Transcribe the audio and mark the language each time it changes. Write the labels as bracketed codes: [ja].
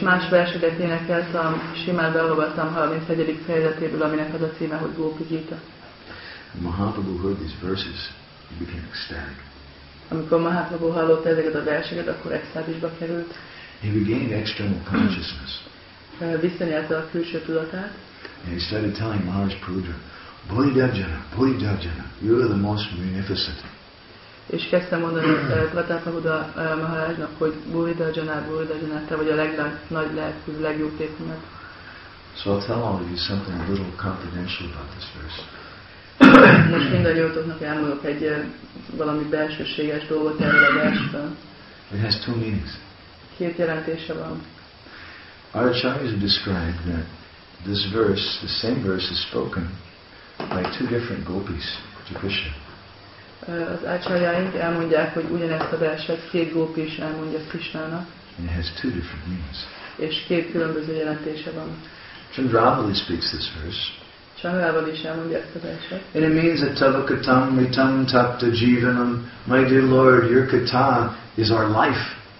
[hu] Verseket énekelt a Simád Bhagavatam 31. fejezetéből, aminek az a címe, hogy Gópi Gita. [en] Mahaprabhu heard these verses, he became ecstatic. [hu] Amikor Mahaprabhu hallott ezeket a verseket, akkor extázisba került. [en] He regained external consciousness. [hu] Visszanyerte a külső tudatát. [en] And he started telling Maharaj Pratapabuddha, Bodhidevjana, Bodhidevjana, you are the most munificent. [hu] És kezdte mondani Pratapabuddha Maharajnak, hogy Bodhidevjana, te vagy a legnagy, legjobb tépünket. [en] So I'll tell all of you something a little confidential about this verse. [hu] Most mindannyiótoknak elmondok egy valami belsőséges dolgot erről a versről. [en] It has two meanings. [hu] Két jelentése van. [en] Our acharyas have described that this verse, the same verse is spoken by two different gopis to Krishna. [hu] Az ácsajáink elmondják, hogy ugyanezt a verset két gópi is elmondja Krisnának. [en] It has two different meanings. [hu] És két különböző jelentése van. [en] Chandravali speaks this verse. [hu] Chandravali is elmondja ezt a verset. [en] And it means that [sa] tavakatam mitam tapta jivanam, [en] my dear Lord, your kata is our life.